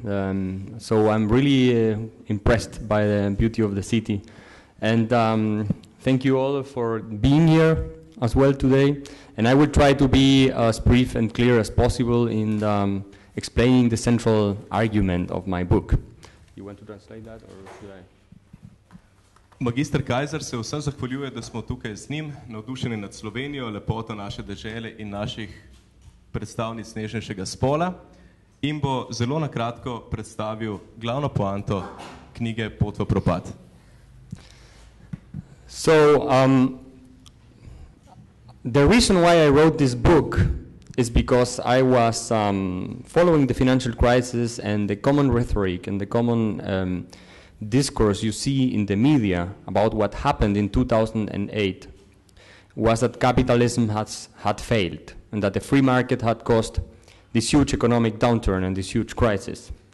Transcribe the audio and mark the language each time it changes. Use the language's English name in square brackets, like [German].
[English] So I'm really impressed by the beauty of the city. And thank you all for being here as well today. And I will try to be as brief and clear as possible in explaining the central argument of my book. You want to translate that or should I? [Slovenian] Magister Kaiser se vsem zahvaljuje, da smo tukaj z njim, navdušeni nad Slovenijo, lepoto naše dežele in naših predstavnic nežnejšega spola in bo zelo na kratko predstavil glavno poanto knjige Pot v propad. [English] So the reason why I wrote this book is because I was following the financial crisis and the common rhetoric and the common discourse you see in the media about what happened in 2008 was that capitalism had failed and that the free market had caused this huge economic downturn and this huge crisis.